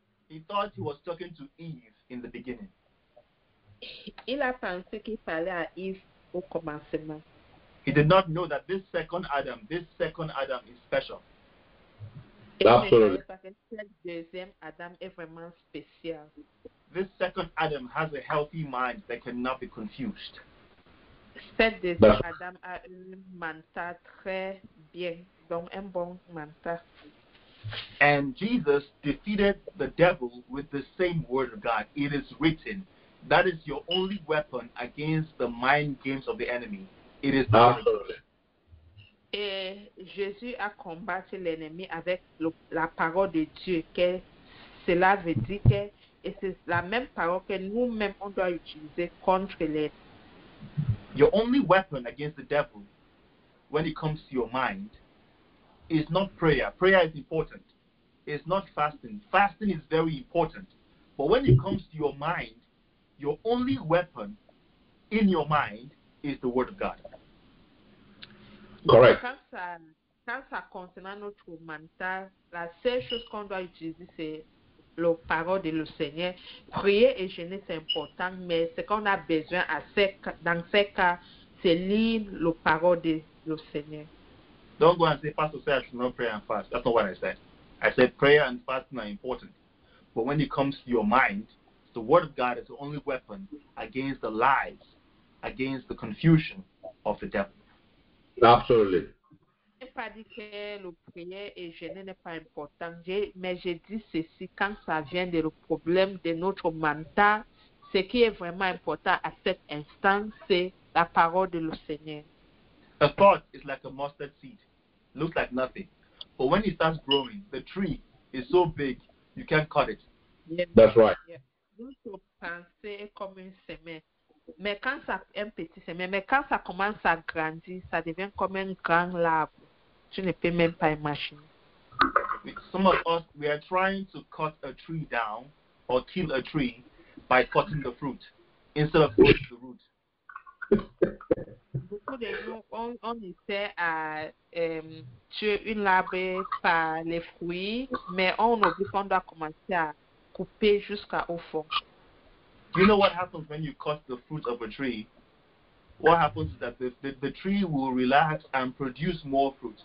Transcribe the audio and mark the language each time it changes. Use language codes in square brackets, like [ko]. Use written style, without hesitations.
[en] He thought he was talking to Eve in the beginning. [fr] Il a pensé qu'il parlait à Eve au commencement. [en] He did not know that this second Adam is special. Absolutely. This second Adam has a healthy mind that cannot be confused. [fr] Cet deuxième Adam a un mental très bien, donc un bon mental. [en] And Jesus defeated the devil with the same word of God. It is written, that is your only weapon against the mind games of the enemy. It is the word of God. [fr] Et Jésus a combattu l'ennemi avec la parole de Dieu, que cela veut dire que, et c'est la même parole que nous-mêmes on doit utiliser contre l'ennemi. [en] Your only weapon against the devil, when it comes to your mind, is not prayer. Prayer is important. It's not fasting. Fasting is very important. But when it comes to your mind, your only weapon in your mind is the word of God. Correct. [fr] Quand ça concerne notre mental, la seule chose qu'on doit utiliser, c'est la parole de le Seigneur. Prier et jeûner, c'est important, mais ce qu'on a besoin dans ce cas, c'est lire la parole de le Seigneur. [en] Don't go and say, Pastor said, I should not pray and fast. That's not what I said. I said prayer and fasting are important. But when it comes to your mind, the word of God is the only weapon against the lies, against the confusion of the devil. Absolutely. [fr] Je n'ai pas dit que le prière et jeûner n'est pas important, mais je dis ceci, quand ça vient de le problème de notre mental, ce qui est vraiment important à cet instant, c'est la parole de le Seigneur. [en] A thought is like a mustard seed. Looks like nothing. But when it starts growing, the tree is so big, you can't cut it. Yeah. That's right. [fr] Notre pensée est comme une semence. Mais quand ça un petit semen, mais quand ça commence à grandir, ça devient comme un grand arbre. Tu ne peux même pas imaginer. [en] Some of us, we are trying to cut a tree down or kill a tree by cutting the fruit instead of cutting the root. [fr] Beaucoup de nous, on essaie à tuer une arbre par les fruits, mais on oublie qu'on doit commencer à couper jusqu'à au fond. [en] Do you know what happens when you cut the fruit of a tree? What happens is that the tree will relax and produce more fruit.